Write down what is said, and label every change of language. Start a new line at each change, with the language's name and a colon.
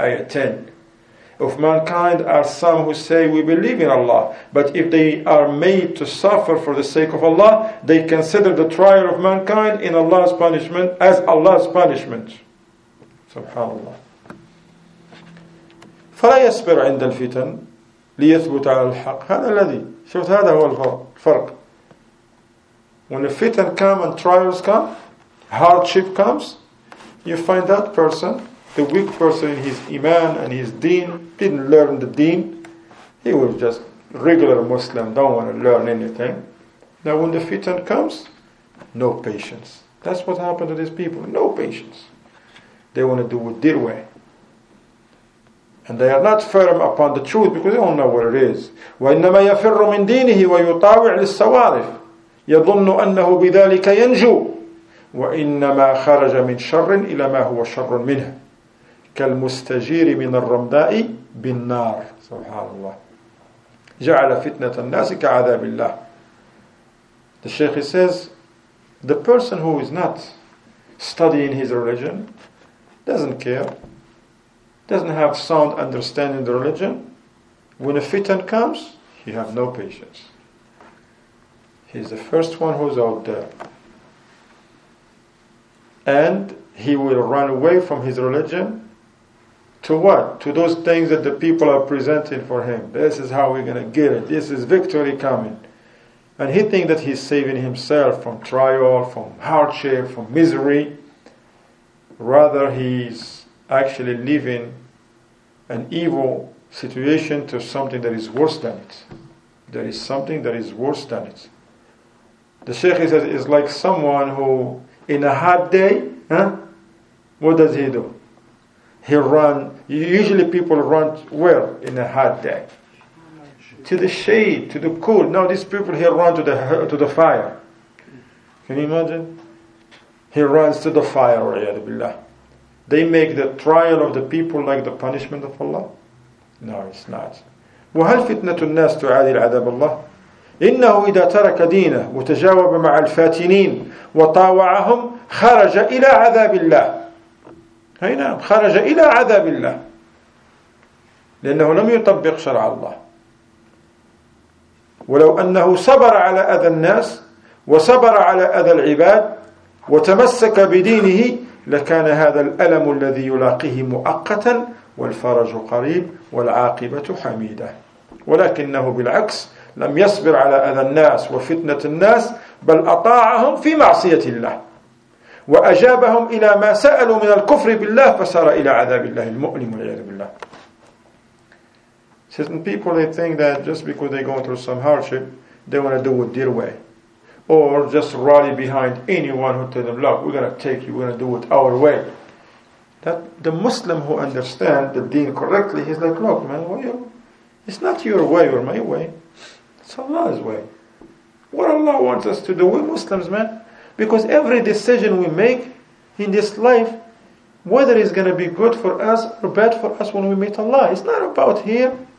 English: Ayah 10. Of mankind are some who say we believe in Allah, but if they are made to suffer for the sake of Allah, they consider the trial of mankind in Allah's punishment as Allah's punishment. Subhanallah.
Arabic: فلا يصبر عند الفتن ليثبت على الحق. هذا الذي شفت, هذا هو الفرق.
English: When a fitan come and trials come, hardship comes, you find that person, the weak person in his iman and his deen, didn't learn the deen. He was just regular Muslim, don't want to learn anything. Now when the fitan comes, no patience. That's what happened to these people, no patience. They want to do it their way. And they are not firm upon the truth because they don't know what it is.
Arabic: وَإِنَّمَا يَفِرُّ مِن دِينِهِ وَيُطَاوِعُ لِلسَّوَارِفِ يَظُنُّ أَنَّهُ بِذَلِكَ يَنْجُو وَإِنَّمَا خَرَجَ مِن شَرٍ إِلَى مَا هُوَ شَرٌ مِنْهُ كَالْمُسْتَجِيرِ مِنَ الرَّمْدَاءِ بِالنَّارِ سبحان الله جَعَلَ فِتْنَةَ النَّاسِ كَعَذَابِ اللَّهِ
English: The Shaykh says, the person who is not studying his religion, doesn't care, doesn't have sound understanding of the religion, when a fitna comes, he has no patience. He's the first one who's out there. And he will run away from his religion to what? To those things that the people are presenting for him. This is how we're going to get it. This is victory coming. And he thinks that he's saving himself from trial, from hardship, from misery. Rather, he's actually leaving an evil situation to something that is worse than it. There is something that is worse than it. The Shaykh says it's like someone who, in a hot day, what does he do? He run. Usually people run where in a hot day? To the shade, to the cool. Now these people here run to the fire. Can you imagine? He runs to the fire, wa'iyadu billah. They make the trial of the people like the punishment of Allah? No, it's not.
Arabic: وَهَلْ فِتْنَةُ النَّاسِ تُعَادِي الْعَذَابَ اللَّهِ إِنَّهُ إِذَا تَرَكَ دِينَهُ وَتَجَاوَبَ مَعَ الْفَاتِنِينَ وَطَاوَعَهُمْ خَرَجَ إِلَى عَذَابِ اللَّهِ هاي نعم خرج إلى عذاب الله لأنه لم يطبق شرع الله ولو أنه صبر على أذى الناس وصبر على أذى العباد وتمسك بدينه لكان هذا الألم الذي يلاقيه مؤقتا والفرج قريب والعاقبة حميدة ولكنه بالعكس لم يصبر على أذى الناس وفتنة الناس بل أطاعهم في معصية الله وأجابهم إلى ما سألوا من الكفر بالله فسار إلى عذاب الله المؤلم والعياذ بالله
English: Certain people, they think that just because they're going through some hardship, they want to do it their way. Or just rally behind anyone who tells them, look, we're going to take you, we're going to do it our way. That the Muslim who understands the deen correctly, he's like, look, man, it's not your way or my way. It's Allah's way. What Allah wants us to do, we Muslims, man. Because every decision we make in this life, whether it's going to be good for us or bad for us when we meet Allah, it's not about here.